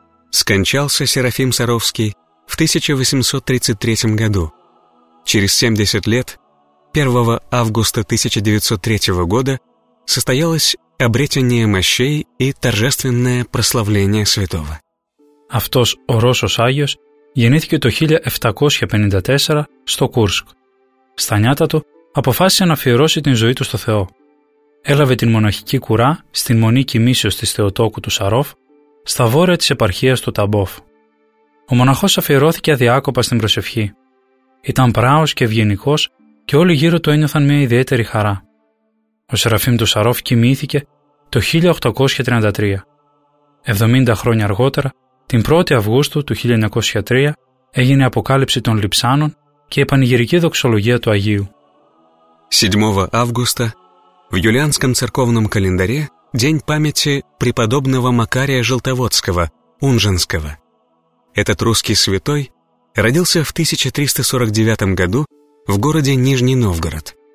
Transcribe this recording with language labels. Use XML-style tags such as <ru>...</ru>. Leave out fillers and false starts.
<ru>Скончался Серафим Саровский в 1833 году. Через 70 лет, 1 августа 1903 года, состоялось обретение мощей и торжественное прославление святого.</ru> <el>Αυτός ο Ρώσος Άγιος γεννήθηκε το 1754 στο Κούρσκ. Στα νιάτα του αποφάσισε να αφιερώσει την ζωή του στο Θεό. Έλαβε την μοναχική κουρά στην Μονή Κοιμήσεως της Θεοτόκου του Σαρόφ, στα βόρεια της επαρχίας του Ταμπόφ. Ο μοναχός αφιερώθηκε αδιάκοπα στην προσευχή. Ήταν πράος και ευγενικός και όλοι γύρω του ένιωθαν μια ιδιαίτερη χαρά. Ο Σεραφείμ του Σαρόφ κοιμήθηκε το 1833. 70 χρόνια αργότερα, την 1η Αυγούστου του 1903, έγινε αποκάλυψη των Λειψάνων και η πανηγυρική δοξολογία του Αγίου. 7 Αυγούστου,</el> <ru>в юлианском церковном календаре, день памяти преподобного Макария Желтоводского, Унженского. Этот русский святой родился в 1349 году в городе Нижний Новгород.</ru>